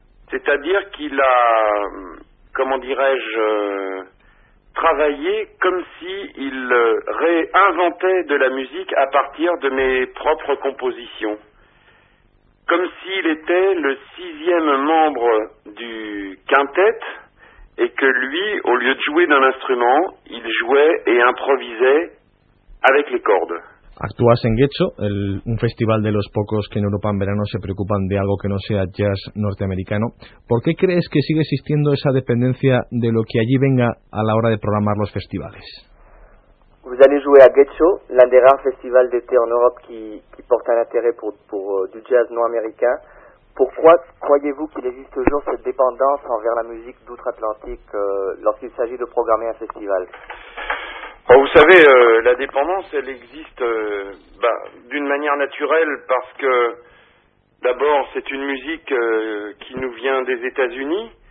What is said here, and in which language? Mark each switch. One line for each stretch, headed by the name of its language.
French: c'est-à-dire qu'il a, comment dirais-je, travaillé comme s'il réinventait de la musique à partir de mes propres compositions. Comme s'il était le sixième membre du quintet et que lui, au lieu de jouer d'un instrument, il jouait et improvisait avec les cordes.
Spanish: Actúas en Guecho, un festival de los pocos que en Europa en verano se preocupan de algo que no sea jazz norteamericano. ¿Por qué crees que sigue existiendo esa dependencia de lo que allí venga a la hora de programar los festivales?
French: Vous allez jouer à Guecho, l'un des rares festivals d'été en Europe qui porte un intérêt pour du jazz non-américain. Pourquoi croyez-vous qu'il existe toujours cette dépendance envers la musique d'outre-Atlantique lorsqu'il s'agit de programmer un festival? Bon, vous savez, la dépendance, elle existe d'une manière naturelle parce que, d'abord, c'est une musique qui nous vient des États-Unis.